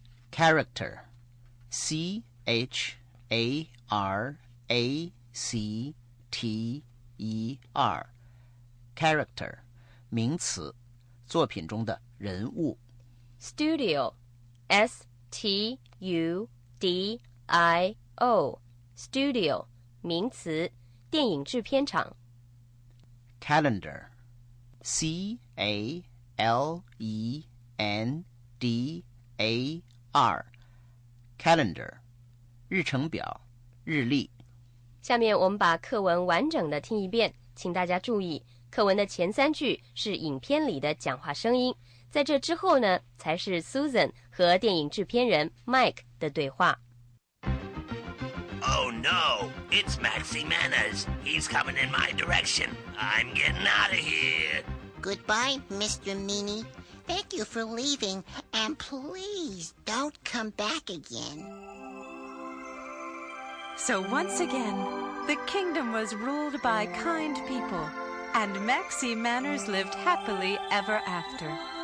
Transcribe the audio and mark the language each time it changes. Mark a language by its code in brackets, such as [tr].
[zh] Character， C-H-A-R-A-C-T-E-R， character， 名词，作品中的人物。 Studio， S-T-U-D-I-O， Studio， 名词，电影制片厂。 Calendar， C-A-L-E-N-D-A-R， Calendar， 日程表，日历。下面我们把课文完整的听一遍，请大家注意，课文的前三句是影片里的讲话声音，在这之后呢，才是 Susan 和电影制片人 Mike 的对话。 [en] Oh no, it's Maxi Manners. He's coming in my direction. I'm getting out of here. Goodbye, Mr. Meanie. Thank you for leaving, and please don't come back again. So once again, the kingdom was ruled by kind people, and Maxi Manners lived happily ever after.